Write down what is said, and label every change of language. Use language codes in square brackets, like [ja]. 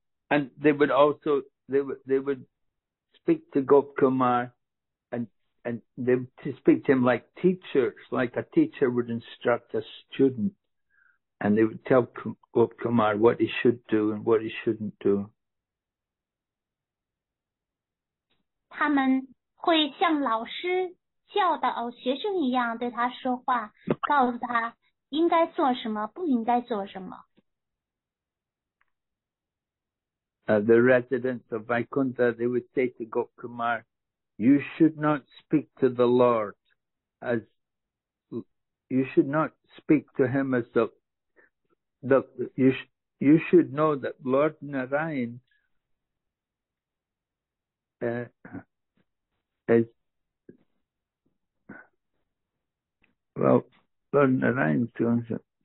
[en] And they would also, they would speak to Gopkumar and they would speak to him like teachers, like a teacher would instruct a student. And they would tell Gopkumar what he should do and what he shouldn't do. [zh] 他们会像老师教导学生一样对他说话，告诉他应该做什么，不应该做什么。 [en] The residents of Vaikuntha, they would say to Gokumar, you should not speak to the Lord as, you should not speak to him as you should know that Lord Narayan Lord Narayan is going to